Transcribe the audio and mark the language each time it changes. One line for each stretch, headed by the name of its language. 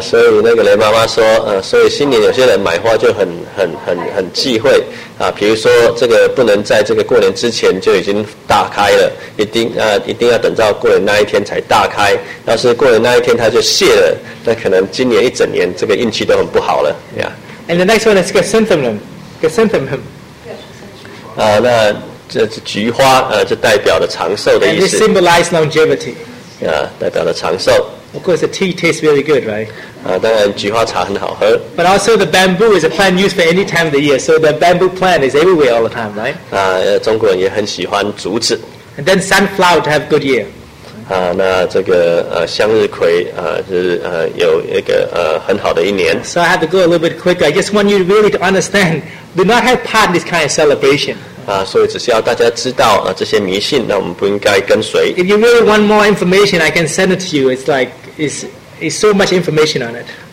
Chinese: 所以那个雷妈妈说，所以新年有些人买花就很忌讳，比如说这个不能在这个过年之前就已经大开了，一定要等到过年那一天才大开，要是过年那一天它就谢了。那可能今年一整年这个运气都很不好了，yeah.
English: And the next one is chrysanthemum. Chrysanthemum.
Chinese: 那这菊花，这代表了长寿的意思。
English: And this symbolizes longevity.
Chinese: 代表了长寿。
English: Of course, the tea tastes really good, right?
Chinese: 当然菊花茶很好喝。
English: But also the bamboo is a plant used for any time of the year, so the bamboo plant is everywhere all the time, right?
Chinese: 中国人也很喜欢竹子。
English: And then sunflower to have good year.
Chinese: 那这个向日葵是有一个很好的一年。
English: So I have to go a little bit quicker. I just want you really to understand, do not have part in this kind of celebration.
Chinese: 所以只是要大家知道这些迷信，那我们不应该跟随。
English: If you really want more information, I can send it to you. It's like, it's so much information on it.